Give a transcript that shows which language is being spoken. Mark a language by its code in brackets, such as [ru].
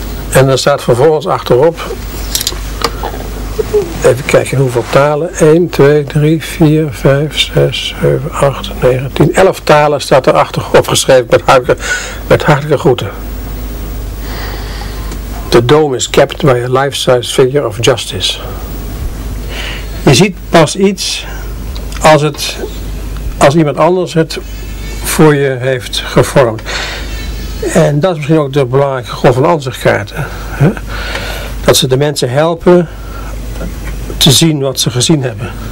[nl] En er staat vervolgens achterop, even kijken hoeveel talen, 1, 2, 3, 4, 5, 6, 7, 8, 9, 10, 11 talen staat er achterop geschreven met hartelijke groeten. [en] The dome is kept by a life-size figure of justice. [nl] Je ziet pas iets als iemand anders het voor je heeft gevormd. En dat is misschien ook de belangrijke rol van ansichtkaarten. Dat ze de mensen helpen te zien wat ze gezien hebben.